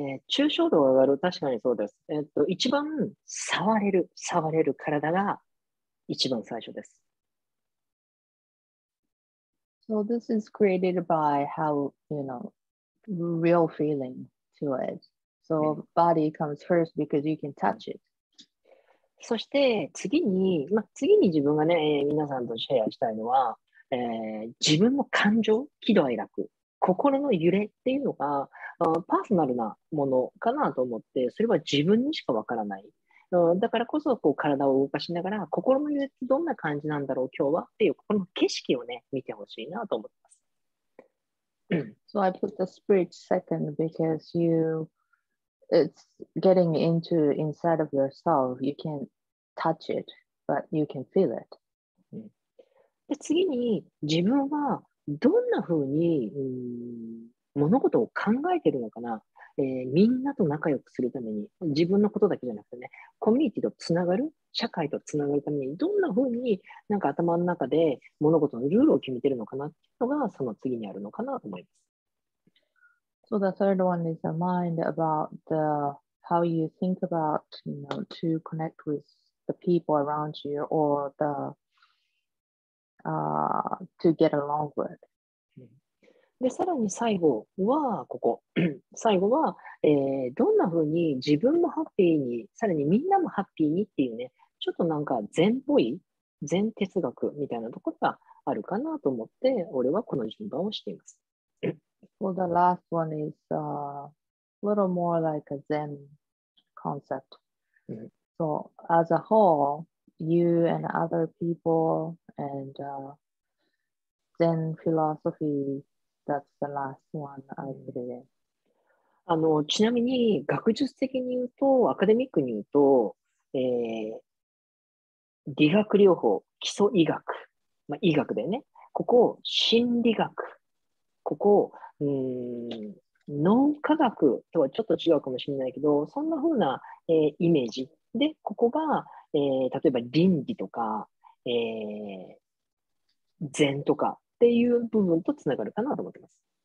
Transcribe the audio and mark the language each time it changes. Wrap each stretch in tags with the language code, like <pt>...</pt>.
<ja>抽象度が上がる、確かにそうです。一番触れる体が一番最初です。</ja> <en>So this is created by how, you know, real feeling to it. So body comes first because you can touch it.</en> <ja>そして次に、次に自分がね、皆さんとシェアしたいのは、自分の感情、喜怒哀楽、心の揺れっていうのが、パーソナルなものかなと思って、それは自分にしかわからない。だからこそこう体を動かしながら、心の揺れってどんな感じなんだろう、今日はっていう、この景色をね、見てほしいなと思います。</ja> <en>So I put the spirit second because you, it's getting into inside of yourself. You can't touch it, but you can feel it.</en> <ja>で次に、自分はどんなふうに、物事を考えてるのかな、みんなと仲良くするために自分のことだけじゃなくてね、コミュニティとつながる、社会とつながるためにどんな風になんか頭の中で物事のルールを決めてるのかなっていうのがその次にあるのかなと思います。</ja> <en>So the third one is a mind about the how you think about, you know, to connect with the people around you or the to get along with</en> <ja>で、さらに最後は、ここ。最後は、どんな風に自分もハッピーに、さらにみんなもハッピーにっていうね、ちょっとなんか禅っぽい、禅哲学みたいなところがあるかなと思って、俺はこの順番をしています。</ja> <en>Well, the last one is a little more like a Zen concept. So, as a whole, you and other people and Zen philosophyThat's the last one I did.</en> <ja>ちなみに学術的に言うと、アカデミックに言うと、理学療法、基礎医学、まあ、医学だよね。ここを心理学、ここを脳科学とはちょっと違うかもしれないけど、そんな風な、イメージで、ここが、例えば倫理とか、禅とかっていう部分とつながるかなと思ってます。</ja>